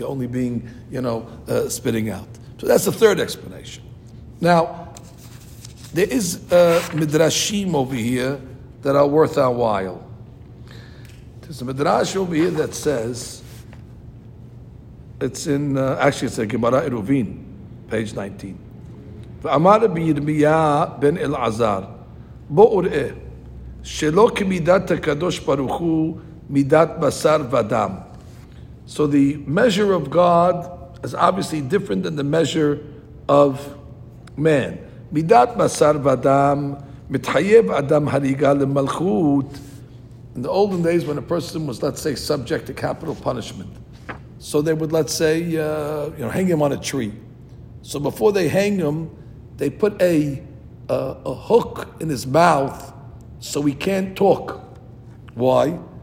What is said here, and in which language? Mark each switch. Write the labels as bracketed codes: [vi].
[en] You're only being, spitting out. So that's the third explanation. Now, there is a midrashim over here that are worth our while. There's a midrash over here that says, it's in, it's a Gemara Eruvin, page 19. [he] ואמר רבי ירמיה בן אלעזר, בוא וראה, שלא כמידת הקדוש ברוך הוא, מידת בשר ודם. [en] So the measure of God is obviously different than the measure of man. [he] מידת בשר ודם, מתחייב אדם הריגה למלכות. [en] In the olden days when a person was, let's say, subject to capital punishment, so they would, let's say, hang him on a tree. So before they hang him, they put a hook in his mouth so he can't talk. Why?